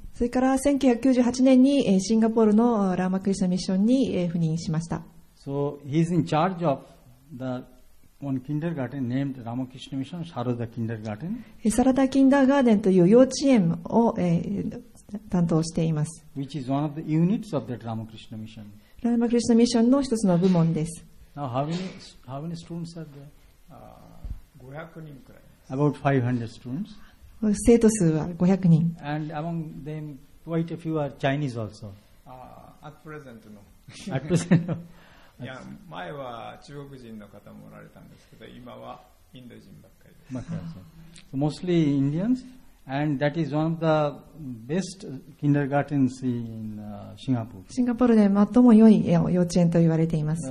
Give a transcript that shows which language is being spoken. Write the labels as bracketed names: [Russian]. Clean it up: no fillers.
[Japanese] それから1998年にシンガポールのラーマクリシナミッションに赴任しました。 [English] So he's in charge of the one kindergarten named Ramakrishna Mission, Sarada Kindergarten. [Japanese] サラダキンダーガーデンという幼稚園を担当しています。 [English] Which is one of the units of that Ramakrishna Mission. [Japanese] ラーマクリシナミッションの一つの部門です。 [English] Now, how many students are there? [Japanese] 500人くらい。 [English] About 500 students. [Japanese] 生徒数は500人。 [English] And among them, quite a few are Chinese also. At present, no. At present, no. [Japanese] いや、前は中国人の方もおられたんですけど、今はインド人ばっかりです。 [English] So mostly Indians, and that is one of the best kindergartens in Singapore. [Japanese] シンガポールで最も良い幼稚園と言われています。